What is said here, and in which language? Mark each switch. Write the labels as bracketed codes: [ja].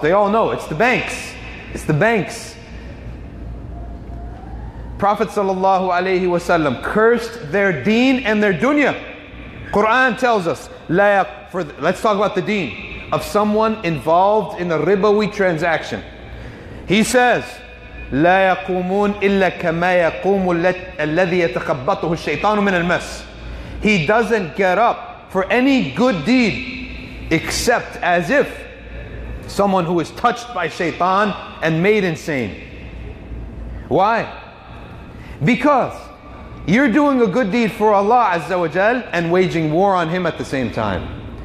[en] They all know, it's the banks. It's the banks. Prophet sallallahu alayhi wasallam cursed their deen and their dunya. Quran tells us, let's talk about the deen of someone involved in a ribawi transaction. [ar] He says, لا يقومون إلا كما يقوم الذي يتخبطه الشيطان من المس. [en] He doesn't get up for any good deed except as if someone who is touched by shaitan and made insane. Why? Because you're doing a good deed for Allah Azza wa Jal and waging war on him at the same time.